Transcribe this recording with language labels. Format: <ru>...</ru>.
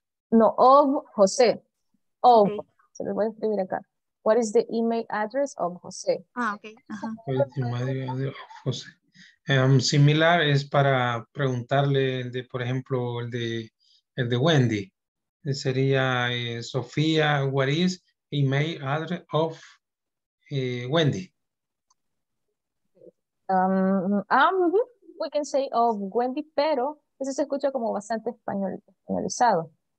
<en>No, of José. Of. Okay.</en> <es>Se lo voy a escribir acá.</es> <en>What is the email address of José? Ah, ok.</en> <es>Similar es para preguntarle, de, por ejemplo, el de Wendy. Sería</es> <en>Sofía, what is email address of Wendy? We can say of Wendy,</en> <es>pero eso se escucha como bastante españolizado.</es>